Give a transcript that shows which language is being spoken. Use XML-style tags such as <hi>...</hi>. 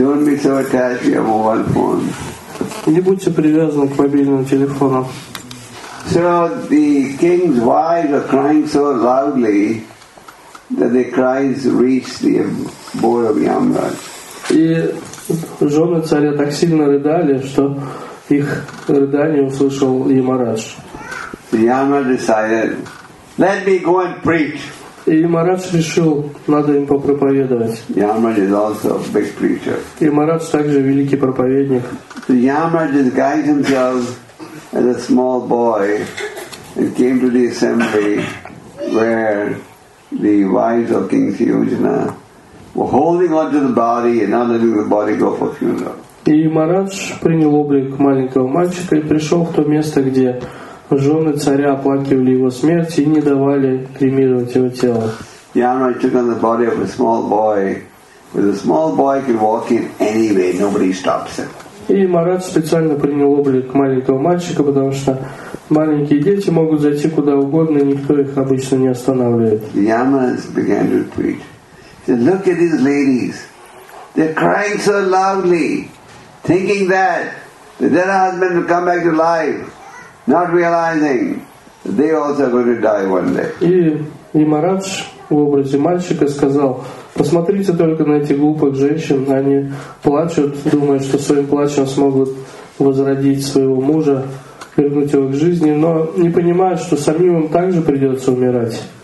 <ru>Не будьте привязаны к мобильным телефонам.</ru> <en>So the king's wives are crying so loudly that their cries reached the abode of Yamraj.</en> <ru>И жены царя так сильно рыдали, что их рыдание услышал Ямарадж.</ru> <en>Yamraj decided, let me go and preach.</en> <ru>И Ямарадж решил, надо им попроповедовать.</ru> <en>Yamraj is also a big preacher.</en> <ru>Ямарадж также великий проповедник.</ru> <en>So Yamraj disguised himself as a small boy and came to the assembly where the wives of King Suyojana were holding on to the body and not letting the body go for funeral.</en> <ru>И Ямарадж принял облик маленького мальчика и пришел в то место, где жены царя оплакивали его смерть и не давали кремировать его тело.</ru> <en>Yamraj took on the body of a small boy, but the small boy can walk in anyway, nobody stops him.</en> <ru>И Ямарадж специально принял облик маленького мальчика, потому что маленькие дети могут зайти куда угодно, и никто их обычно не останавливает.</ru> <en>Yamraj began to preach. He said, look at these ladies. They're crying so loudly, thinking that their husband will come back to life, not realizing that they also are going to die one day.</en> <ru>И Ямарадж в образе мальчика сказал, посмотрите только на этих глупых женщин, они плачут, думают, что своим плачем смогут возродить своего мужа, вернуть его к жизни, но не понимают, что самим им также придется умирать.</ru>